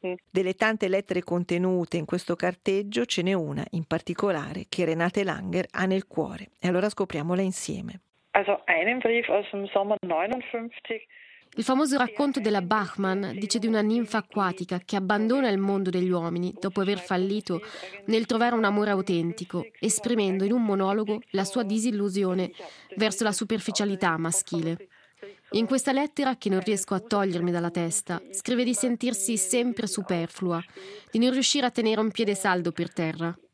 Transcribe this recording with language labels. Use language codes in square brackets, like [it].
[it] Delle tante lettere contenute in questo carteggio, ce n'è una in particolare che Renate Langer ha nel cuore. E allora scopriamola insieme. [de] Also einen Brief aus dem Sommer 59. [it] Il famoso racconto della Bachmann dice di una ninfa acquatica che abbandona il mondo degli uomini dopo aver fallito nel trovare un amore autentico, esprimendo in un monologo la sua disillusione verso la superficialità maschile. In questa lettera, che non riesco a togliermi dalla testa, scrive di sentirsi sempre superflua, di non riuscire a tenere un piede saldo per terra.